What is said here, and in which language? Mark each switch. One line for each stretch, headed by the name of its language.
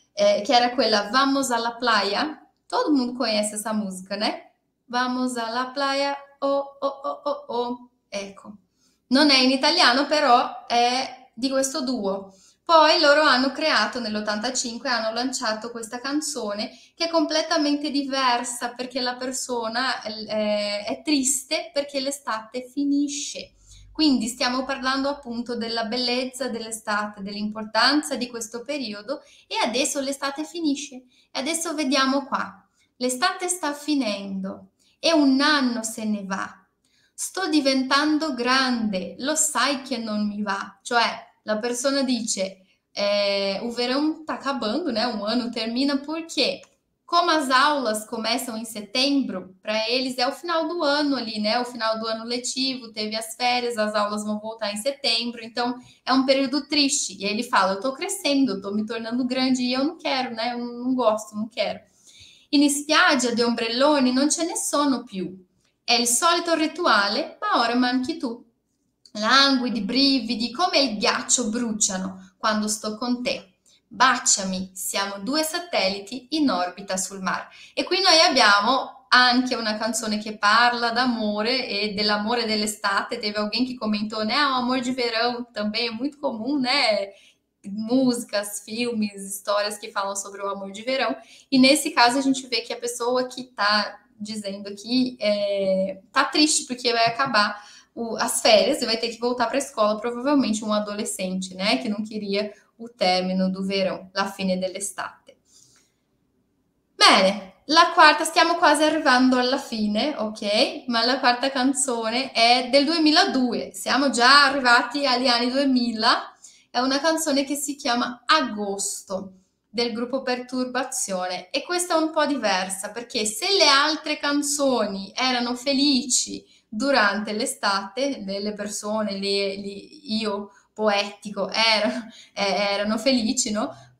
Italian: Che era quella Vamos a la playa.
Portuguese: Todo mundo conhece essa música, né? Vamos a la playa, oh, oh, oh, oh, oh.
Italian: Ecco, non è in italiano, però è di questo duo. Poi loro hanno creato nell'85, hanno lanciato questa canzone che è completamente diversa perché la persona è triste perché l'estate finisce. Quindi stiamo parlando appunto della bellezza dell'estate, dell'importanza di questo periodo e adesso l'estate finisce. E adesso vediamo qua. L'estate sta finendo e un anno se ne va. Sto diventando grande, lo sai che non mi va. Cioè, la persona dice,
Portuguese: o verão tá acabando, né? Um ano termina porque, como as aulas começam em setembro, para eles é o final do ano ali, né? O final do ano letivo, teve as férias, as aulas vão voltar em setembro, então é um período triste. E aí ele fala, eu tô crescendo, tô me tornando grande e eu não quero, né? Eu não gosto, não quero.
Italian: In spiaggia de ombrelloni non ce ne sono più. È il solito rituale, ma ora manchi tu. Languidi brividi come il ghiaccio bruciano quando sto con te. Baciami, siamo due satelliti in orbita sul mare. E qui noi abbiamo anche una canzone che parla d'amore e dell'amore dell'estate.
Portuguese: Teve alguém que comentou, né? O amor de verão também é muito comum, né? Músicas, filmes, histórias que falam sobre o amor de verão. E nesse caso a gente vê que a pessoa que tá dizendo aqui tá triste porque vai acabar as férias e vai ter que voltar para a escola, provavelmente um adolescente, né, que não queria o término do verão,
Italian: la fine dell'estate. Bene, la quarta, stiamo quasi arrivando alla fine, ok? Ma la quarta canzone è del 2002, siamo già arrivati agli anni 2000. È una canzone che si chiama Agosto, del gruppo Perturbazione, e questa è un po' diversa perché se le altre canzoni erano felici durante l'estate, delle persone, io poetico, erano felici, no?